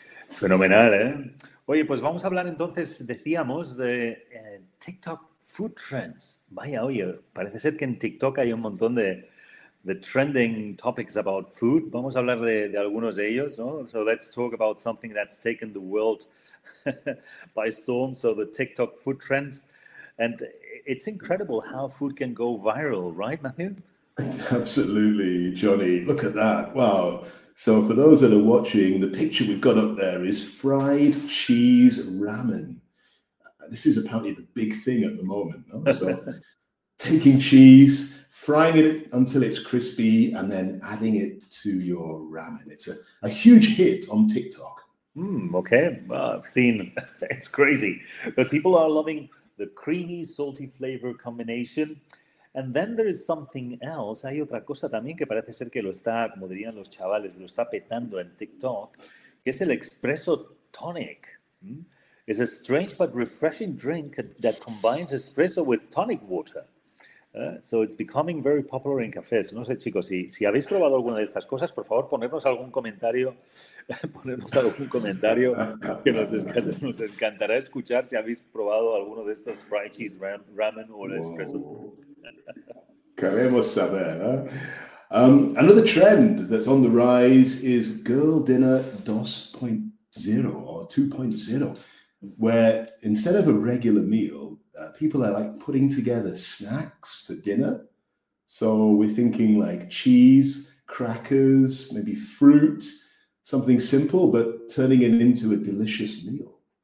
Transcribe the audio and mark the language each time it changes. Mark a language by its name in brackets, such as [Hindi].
[Spanish] Fenomenal, ¿eh? Oye, pues vamos a hablar entonces, decíamos, de TikTok Food Trends. Vaya, oye, parece ser que en TikTok hay un montón de trending topics [English] about food. [Spanish] Vamos a hablar de algunos de ellos, ¿no? [English] So let's talk about something that's taken the world by storm. So the TikTok Food Trends. And it's incredible how food can go viral, right, Matthew? Absolutely, Johnny. Look at that. Wow. So for those that are watching, the picture we've got up there is fried cheese ramen. This is apparently the big thing at the moment, no? So taking cheese, frying it until it's crispy, and then adding it to your ramen. It's a huge hit on TikTok. Okay. Well, I've seen it's crazy, but people are loving the creamy, salty flavor combination. And then there is something else. [Spanish] Hay otra cosa también que parece ser que lo está, como dirían los chavales, lo está petando en TikTok, que es el espresso tonic. [English] It's a strange but refreshing drink that combines espresso with tonic water. So it's becoming very popular in cafés. [Spanish] No sé, chicos, si habéis probado alguna de estas cosas, por favor, ponernos algún comentario. Ponernos algún comentario que nos encantará escuchar si habéis probado alguno de estos fried cheese ramen o el espresso. Queremos saber, ¿eh? [English] Another trend that's on the rise is girl dinner 2.0 or 2.0, where instead of a regular meal, people are like putting together snacks for dinner. So we're thinking like cheese, crackers, maybe fruit, something simple, but turning it into a delicious meal.